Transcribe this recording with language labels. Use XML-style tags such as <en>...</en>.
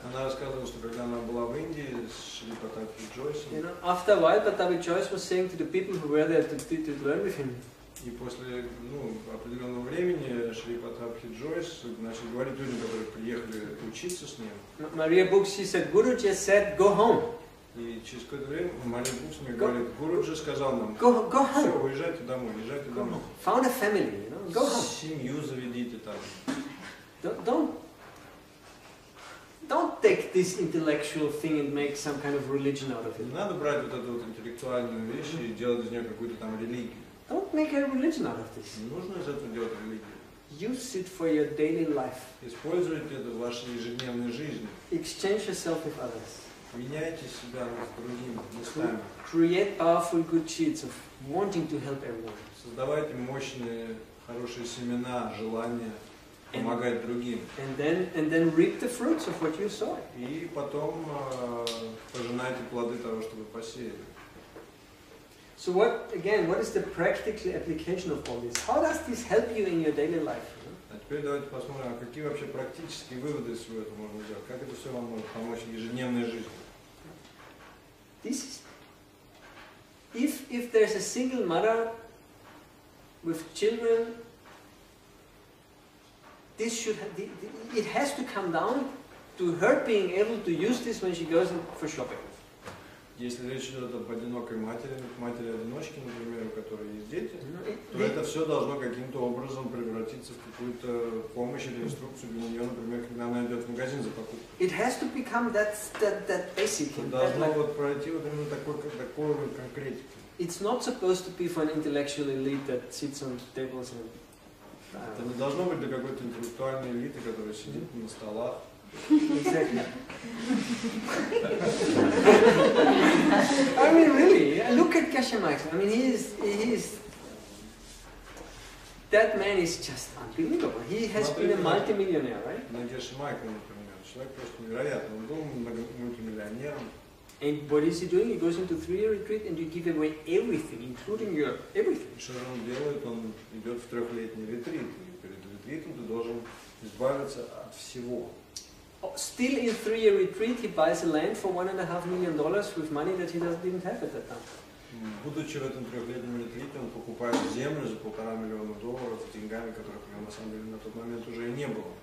<ru>Она рассказывала, что когда она была в Индии с Шри Патаби Джойсом.</ru> <en>You know, after a while, Patavi Joyce was saying to the people who were there to learn with him.</en> <ru>И после определенного времени Шри Патаби Джойс начал говорить людям, которые приехали учиться с ним.</ru> <en>Maria Books, she said, Guru just said, go home.</en> <ru>И через какое-то время Maria Books мне говорит, Guru же сказал нам,</ru> <en>go home.</en> <ru>Все, уезжайте домой, уезжайте домой.</ru> <en>Home. Found a family. You know? Go home.</en> <ru>Семью заведите там.</ru> <en>Don't take this intellectual thing and make some kind of religion out of it.</en> <ru>Не надо брать вот эту вот интеллектуальную вещь и делать из нее какую-то там религию.</ru> <en>Don't make a religion out of this.</en> <ru>Не нужно из этого делать религию.</ru> <en>Use it for your daily life.</en> <ru>Используйте это в вашей ежедневной жизни.</ru> <en>Exchange yourself with others.</en> <ru>Меняйте себя с другими местами.</ru> <en>Create powerful good seeds of wanting to help everyone.</en> <ru>Создавайте мощные хорошие семена, желание помогать другим.</ru> <en>And then reap the fruits of what you sow.</en> <ru>И потом пожинайте плоды того, что вы посеяли.</ru> <en>So what again? What is the practical application of all this? How does this help you in your daily life?</en> <ru>А теперь давайте посмотрим, а какие вообще практические выводы из всего этого можно сделать? Как это все вам может помочь в ежедневной жизни?</ru> <en>This is if if there's a single mother with children, this should it has to come down to her being able to use this when she goes for shopping.</en> <ru>Если речь идет об одинокой матери, матери-одиночке, например, у которой есть дети, то это все должно каким-то образом превратиться в какую-то помощь или инструкцию для нее, например, когда она идет в магазин за покупку.</ru> <en>It has to become that basic.</en> <ru>Должно вот пройти вот именно такой вот конкретики.</ru> <en>It's not supposed to be for an intellectual elite that sits on tables and.</en> <ru>Это не должно быть для какой-то интеллектуальной элиты, которая сидит на столах.</ru> <en>Exactly. I mean, really. Look at Geshe Max. I mean, he is. That man is just unbelievable. He has been a multimillionaire, right?</en> <ru>На Геше Майк, например, человек просто невероятный. Он был мультимиллионером.</ru> <en>And what is he doing? He goes into 3-year retreat and you give away everything, including your everything.</en> <ru>Что он делает? Он идет в трехлетний ретрит. И перед ретритом ты должен избавиться от всего.</ru> <en>Still in 3-year retreat, he buys a land for $1.5 million with money that he didn't have at that time.</en> <ru>Будучи в этом трехлетнем ретрите, он покупает землю за $1.5 million деньгами, которых у него на самом деле на тот момент уже и не было.</ru>